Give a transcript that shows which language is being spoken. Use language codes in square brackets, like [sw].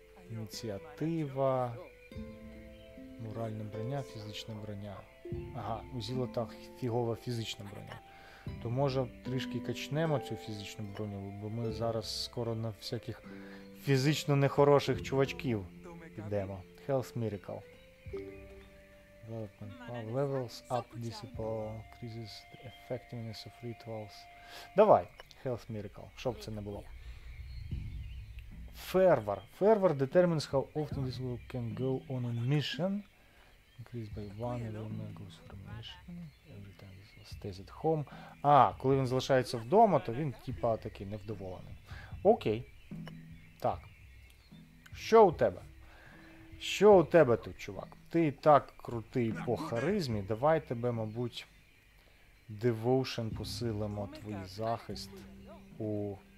[uk] Ініціатива, моральна броня, фізична броня. Ага, у Зілота фігова фізична броня. То може трішки качнемо цю фізичну броню, бо ми зараз скоро на всяких фізично нехороших чувачків йдемо. [en] Health Miracle. Development power levels up, dissipate, increases the effectiveness of rituals. [uk] Давай, Health Miracle, щоб це не було. Fervor. [en] Fervor determines how often this will can go on a mission. Increase by one, and one goes for a mission. Every time this will stays at home. [uk] А, коли він залишається вдома, то він, типа, такий невдоволений. Окей. Так. Що у тебе? Що у тебе тут, чувак? Ти так крутий по харизмі. Давай тебе, мабуть, devotion посилимо, твій захист у...